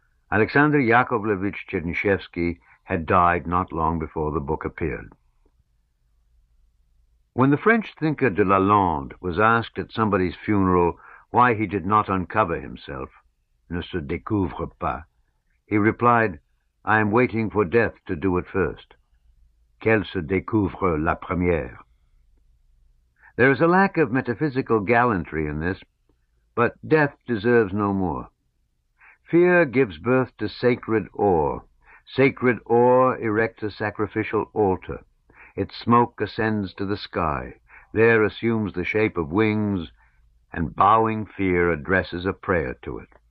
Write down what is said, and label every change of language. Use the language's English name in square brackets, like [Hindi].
[English] Alexander Yakovlevich Chernyshevsky had died not long before the book appeared. When the French thinker de Lalande was asked at somebody's funeral why he did not uncover himself, [French] ne se découvre pas, [English] he replied, I am waiting for death to do it first. [French] Qu'elle se découvre la première. [English] There is a lack of metaphysical gallantry in this, but death deserves no more. Fear gives birth to sacred awe. Sacred awe erects a sacrificial altar. Its smoke ascends to the sky, there assumes the shape of wings, and bowing fear addresses a prayer to it.